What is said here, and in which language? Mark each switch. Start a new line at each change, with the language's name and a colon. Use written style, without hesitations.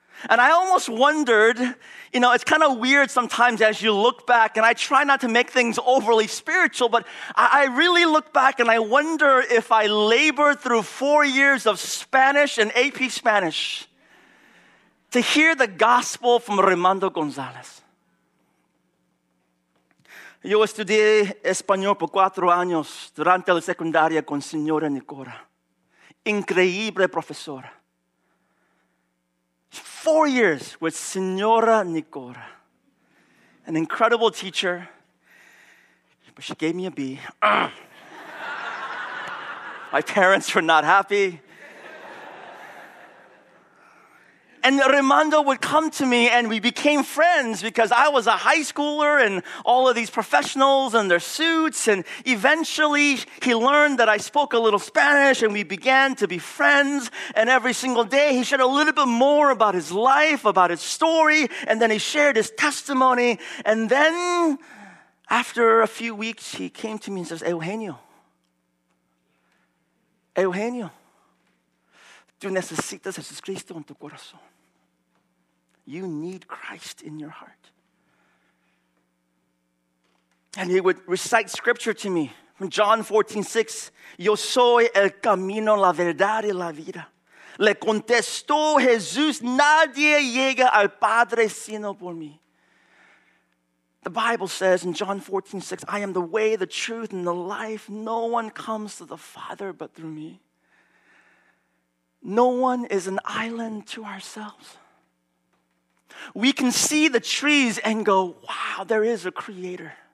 English: And I almost wondered, you know, it's kind of weird sometimes as you look back, and I try not to make things overly spiritual, but I really look back and I wonder if I labored through 4 years of Spanish and AP Spanish to hear the gospel from Raimundo Gonzalez.
Spanish: Yo estudié español por 4 años durante la secundaria con señora Nicora. Increíble profesora.
English: 4 years with Señora Nicora, an incredible teacher, but she gave me a B. My parents were not happy. And Raimundo would come to me, and we became friends because I was a high schooler and all of these professionals and their suits. And eventually, he learned that I spoke a little Spanish, and we began to be friends. And every single day, he shared a little bit more about his life, about his story, and then he shared his testimony. And then, after a few weeks, he came to me and says, Eugenio,
Spanish: tú necesitas a Jesucristo en tu corazón.
English: You need Christ in your heart. And he would recite scripture to me from John 14:6.
Spanish: Yo soy el camino, la verdad y la vida. Le contestó Jesús, nadie llega al Padre sino por mí.
English: The Bible says in John 14:6, I am the way, the truth, and the life. No one comes to the Father but through me. No one is an island to ourselves. We can see the trees and go, wow, there is a creator.